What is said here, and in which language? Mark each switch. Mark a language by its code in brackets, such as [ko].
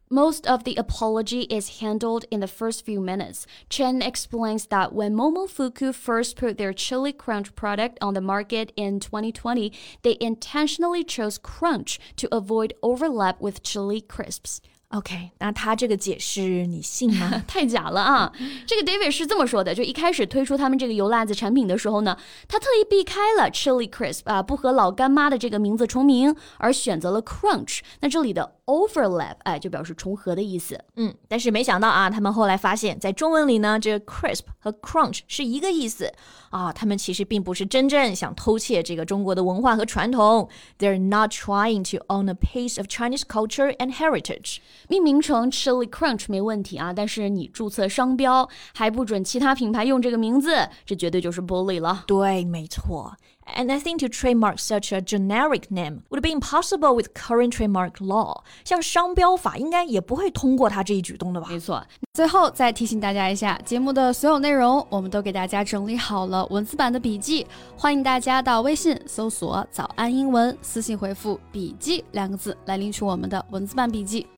[en] Most of the apology is handled in the first few minutes. Chan explains that when Momofuku first put their Chili Crunch product on the market in 2020, they intentionally chose Crunch to avoid overlap with Chili Crisps. [zh] OK, 那他这个解释你信吗？太假了啊。这个 David 是这么说的，就一开始推出他们这个油辣子产品的时候呢，他特意避开了 Chili Crisp, 啊，不和老干妈的这个名字重名，而选择了 Crunch, 那这里的Overlap, 哎，就表示重合的意思。嗯，但是没想到啊，他们后来发现在中文里呢，这 crisp 和 crunch 是一个意思。啊，他们其实并不是真正想偷窃这个中国的文化和传统。 [en] They're not trying to own a piece of Chinese culture and heritage. [zh] 命名成 chili crunch 没问题啊，但是你注册商标，还不准其他品牌用这个名字，这绝对就是 bully 了。对，没错。 [en] And I think to trademark such a generic name would be impossible with current trademark law. [zh] 像商标法应该也不会通过他这一举动的吧。没错。最后再提醒大家一下，节目的所有内容我们都给大家整理好了文字版的笔记。欢迎大家到微信搜索早安英文，私信回复笔记两个字来领取我们的文字版笔记。